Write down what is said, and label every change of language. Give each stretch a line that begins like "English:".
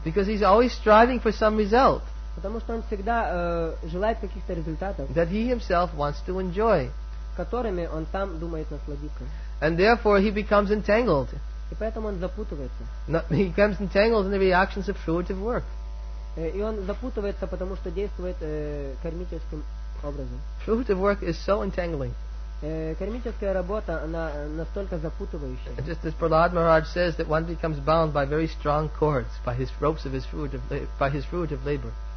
English: Because he's always striving for some result.
Russian: Потому что он всегда желает каких-то результатов.
English: That he himself wants to enjoy.
Russian: Которыми он сам думает насладиться.
English: And therefore he becomes entangled.
Russian: И поэтому он запутывается.
English: He becomes entangled in the reactions of fruitive work.
Russian: И он запутывается, потому что действует кармическим образом.
English: Fruitive work is so entangling.
Russian: Кармическая работа, она настолько запутывающая.
English: Just as Prahlad Maharaj says that one becomes bound by very strong cords by his ropes of his fruitive labor.